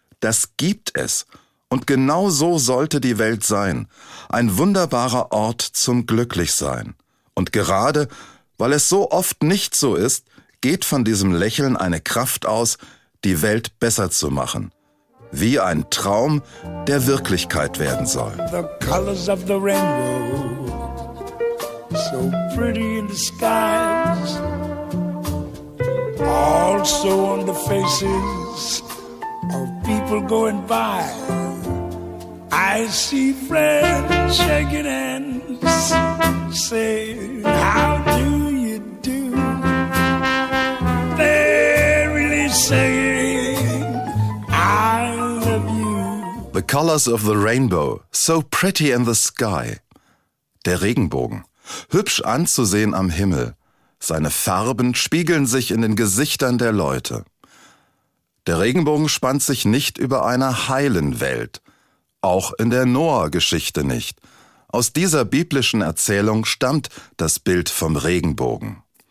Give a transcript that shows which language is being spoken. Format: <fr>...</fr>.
<de>Das gibt es. Und genau so sollte die Welt sein, ein wunderbarer Ort zum Glücklichsein. Und gerade, weil es so oft nicht so ist, geht von diesem Lächeln eine Kraft aus, die Welt besser zu machen. Wie ein Traum, der Wirklichkeit werden soll.</de> <en>The colors of the rainbow, so pretty in the skies, also on the faces of people going by. I see friends shaking hands, saying, how do you do? They're really saying, I love you. The colors of the rainbow, so pretty in the sky.</en> <de>Der Regenbogen, hübsch anzusehen am Himmel. Seine Farben spiegeln sich in den Gesichtern der Leute. Der Regenbogen spannt sich nicht über einer heilen Welt. Auch in der Noah-Geschichte nicht. Aus dieser biblischen Erzählung stammt das Bild vom Regenbogen.</de>